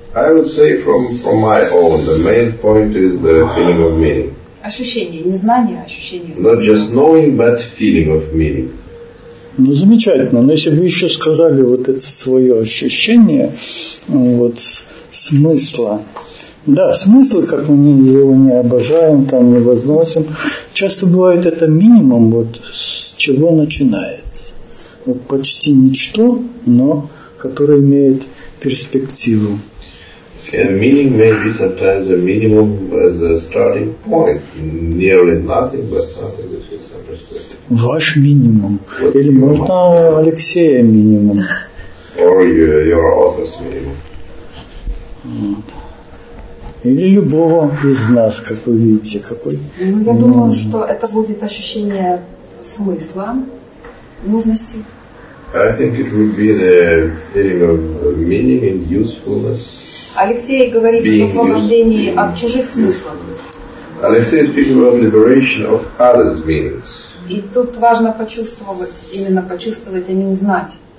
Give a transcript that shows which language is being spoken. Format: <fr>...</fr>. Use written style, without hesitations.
<en>I would say from my own, the main point is the feeling of meaning.</en> <ru>Ощущение, не знание, а ощущение смысла.</ru> <en>Not just knowing, but feeling of meaning.</en> <ru>Ну, замечательно. Но если бы вы еще сказали вот это свое ощущение, вот, смысла. Да, смысл, как мы его не обожаем, там не возносим. Часто бывает это минимум, вот, с чего начинается. Вот почти ничто, но которое имеет перспективу.</ru> <en>Yeah, meaning may be sometimes a minimum as a starting point, nearly nothing, but something which is some perspective.</en> <ru>Ваш минимум. Или можно Алексея минимум.</ru> <en>Or your author's minimum.</en> <ru>Или любого из нас, как вы видите, какой. Ну, я думаю, что это будет ощущение смысла, нужности.</ru> <en>I think it would be the feeling of meaning and usefulness.</en> <ru>Алексей говорит о освобождении от чужих смыслов.</ru> <en>Alexei is speaking about liberation of others' meanings.</en> <ru>И тут важно почувствовать, именно почувствовать, а не узнать.</ru>